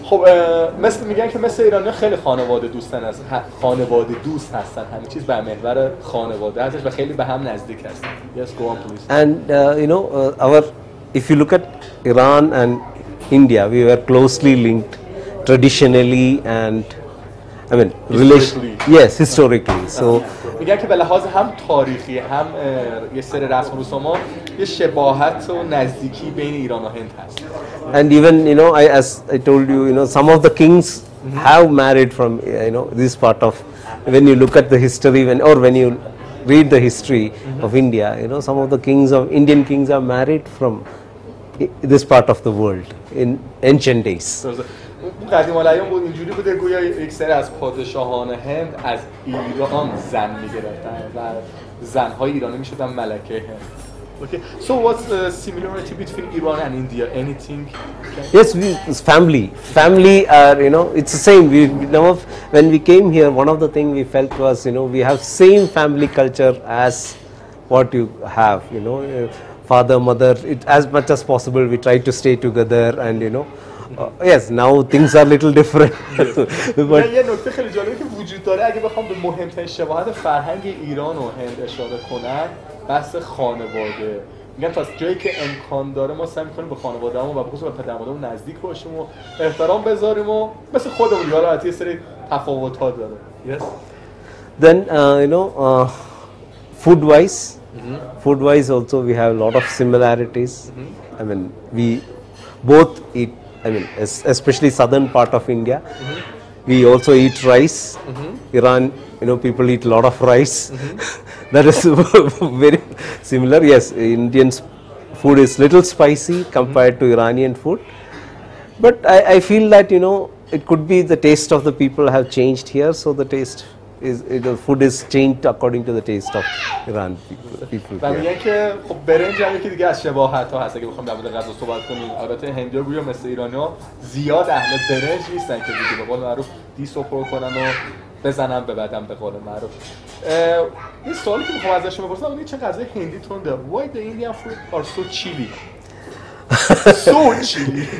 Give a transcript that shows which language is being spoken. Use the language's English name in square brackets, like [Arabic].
[Persian] خب مثل میگن که مثل ایرانی خیلی خانواده دوستن هست، خانواده دوست هستن، همه چیز به محور خانواده هستش و خیلی به هم نزدیک هستن. [English] Yes, go on please. And if you look at Iran and India, we were closely linked traditionally and historically. Yes, historically. So [Persian] میگن که به لحاظ هم تاریخی هم یه سری رسم رسوم یه شباهت و نزدیکی بین ایران و هند هست. [English] And even I told you some of the kings have married from this part of, when you look at the history when you read the history of India, some of the kings of Indian kings are married from this part of the world in ancient days. [Persian] اون قدیم الایام بود اینجوری بوده، گویا یک سری از پادشاهان هند از ایران زن میگرفتن و زنهای ایرانی میشدن ملکه هند. [English] Okay. So what's the similarity between Iran and India? Anything? Yes, it's family. Family are, it's the same. When we came here, one of the things we felt was, we have same family culture as what you have, you know, father, mother, it, as much as possible we try to stay together and you know. Yes, now things are little different. [Persian] But یه نکته خیلی جالبی که وجود داره اگه بخوام به مهمترین شباهت فرهنگ ایران و هند اشاره کنم، بحث خانواده. میگم پس جایی که امکان داره ما سعی می‌کنیم به خانواده‌مون و به خصوص به پدرمادرمون نزدیک باشیم و احترام بذاریم و مثل خودمون، حالا حتی یه سری تفاوت‌ها داره. [English] Yes. Then you know food wise also we have a lot of similarities. Mm-hmm. I mean we both eat, I mean, especially southern part of India, mm-hmm. we also eat rice. Mm-hmm. Iran, you know, people eat a lot of rice. Mm-hmm. That is very similar. Yes, Indian food is little spicy compared mm-hmm. to Iranian food. But I feel that, you know, it could be the taste of the people have changed here. So the taste is, the food is changed according to the taste of Iran people. [Persian] و میگن که خب برنج هم یکی دیگه از شباهت ها هست. اگه بخوام در مورد غذا صحبت کنیم، البته هندی ها گویا مثل ایرانی ها زیاد اهل برنج نیستن که دیگه به قول معروف دیس رو پر کنن و بزنن به بدن به قول معروف. این سوالی که میخوام ازش بپرسم اینه چه غذای هندی تون داره؟ [English] Why the Indian food are so chili? So chili.